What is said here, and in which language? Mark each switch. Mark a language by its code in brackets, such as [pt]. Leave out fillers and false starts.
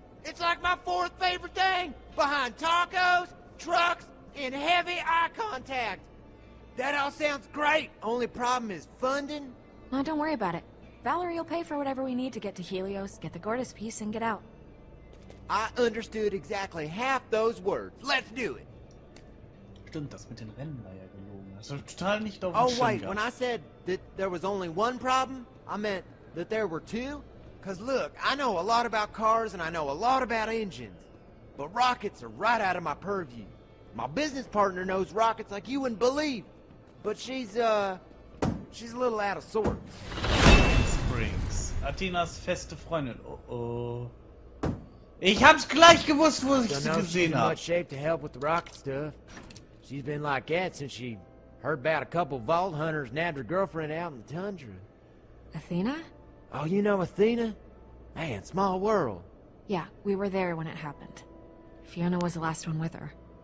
[en] It's like my fourth favorite thing, behind tacos, trucks, and heavy eye contact. That all sounds great. Only problem is funding. No, don't worry about it. Valerie will pay for whatever we need to get to Helios, get the Gordas piece, and get out. I understood exactly half those words. Let's do it. [de] Stimmt, das mit den Rennen war ja gelogen. Das ist total nicht auf dem Schirm gehabt. [en] When I said that there was only one problem, I meant that there were two. Because look, I know a lot about cars and I know a lot about engines. But rockets are right out of my purview. My business partner knows rockets like you wouldn't believe. But she's a little out of sorts. [de] Springs. Athenas feste Freundin. Ich hab's gleich gewusst, wo ich sie gesehen habe. [en] She's in much shape to help with the rocket stuff. She's been like that since she heard about a couple vault hunters nabbed her girlfriend out in the tundra. Athena? Oh, you know Athena? Man, small world. Yeah, we were there when it happened. Fiona was the last one with her.